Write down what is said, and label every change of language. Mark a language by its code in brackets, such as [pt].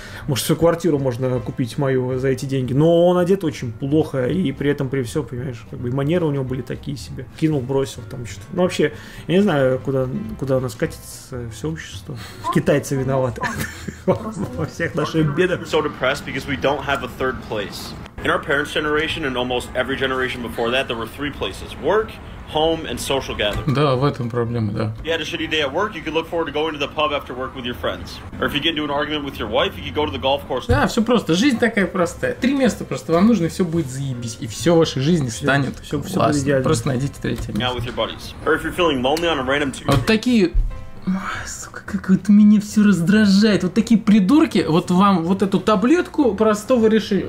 [ru] Может, всю квартиру можно купить мою за эти деньги. Но он одет очень плохо, и при этом, при всем, понимаешь, как бы и манеры у него были такие себе. Кинул, бросил там что-то. Ну, вообще, я не знаю, куда оно скатится, все общество. Китайцы виноваты во всех наших бедах. [en] In our parents' generation and almost every generation before that, there were three places: work, home, and social gatherings. [ru] Да, в этом проблема, да. [en] If you had a shitty day at work, you could look forward to going to the pub after work with your friends. Or if you get into an argument with your wife, you could go to the golf course. [ru] Да, все просто. Жизнь такая простая. Три места просто. Вам нужно, и все будет заебись. И все в вашей жизни станет все классно. Будет просто найдите третье место. [en] Now with your buddies. Or if you're feeling lonely on a random Tuesday. [ru] Вот такие... Сука, как это меня все раздражает. Вот такие придурки, вот вам вот эту таблетку простого решения.